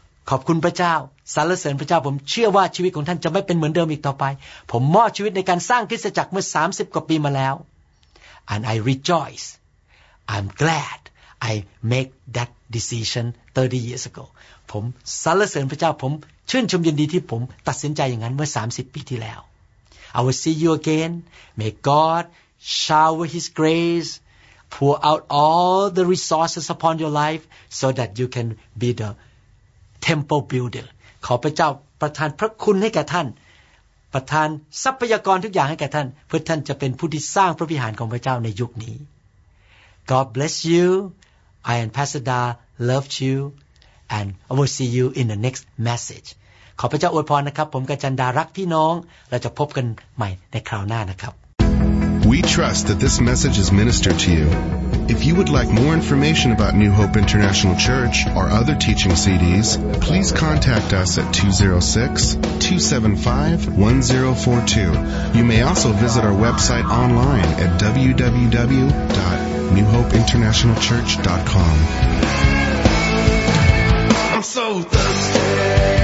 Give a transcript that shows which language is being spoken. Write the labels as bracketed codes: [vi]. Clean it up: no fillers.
[th] ขอบคุณพระเจ้าสรรเสริญพระเจ้าผมเชื่อว่าชีวิตของท่านจะไม่เป็นเหมือนเดิมอีกต่อไปผมมอบชีวิตในการสร้างคริสตจักรเมื่อ30กว่าปีมาแล้ว [en] And I rejoice. I'm glad I make that decision 30 years ago. [th] ผมสรรเสริญพระเจ้าผมชื่นชมยินดีที่ผมตัดสินใจอย่างนั้นเมื่อ30ปีที่แล้ว [en] I will see you again. May God shower His grace. Pour out all the resources upon your life so that you can be the temple builder. [th] ขอพระเจ้าประทานพระคุณให้แก่ท่านประทานทรัพยากรทุกอย่างให้แก่ท่านเพื่อท่านจะเป็นผู้ที่สร้างพระวิหารของพระเจ้าในยุคนี้ [en] God bless you. I and Pastor Da love you. And I will see you in the next message. [th] ขอพระเจ้าอวยพรนะครับผมกับจันดารักพี่น้องเราจะพบกันใหม่ในคราวหน้านะครับ [en] We trust that this message is ministered to you. If you would like more information about New Hope International Church or other teaching CDs, please contact us at 206-275-1042. You may also visit our website online at www.newhopeinternationalchurch.com. I'm so thirsty.